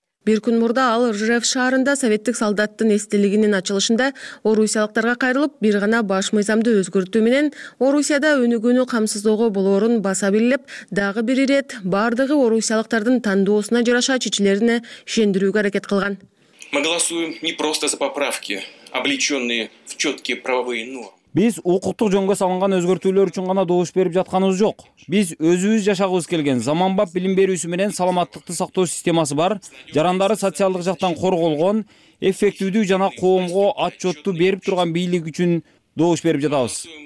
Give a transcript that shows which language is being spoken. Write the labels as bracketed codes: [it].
[ky] Бир күн мурда ал РЖФ шаарында советтик солдаттын эстелигинин ачылышында орусиялыктарга кайрылып бир гана баш мыйзамды өзгөртүү менен Орусияда өнүгүүнү камсыздоого болоорун баса белгилеп, дагы бир ирет бардыгы орусиялыктардын тандоосуна жараша чечилерине ишендирүүгө аракет кылган. [ru] Мы голосуем не просто за поправки, облечённые в чёткие правовые нормы. [ky] Биз укуктук жөнгө салынган өзгөртүүлөр үчүн гана добуш берип жатканыбыз жок. Биз өзүбүз жашагыбыз келген заманбап билим берүүсү менен саламаттыкты сактоо системасы бар, жарандары социалдык жактан корголгон, эффективдүү жана коомго отчётту берип турган бийлик үчүн добуш берип жатабыз.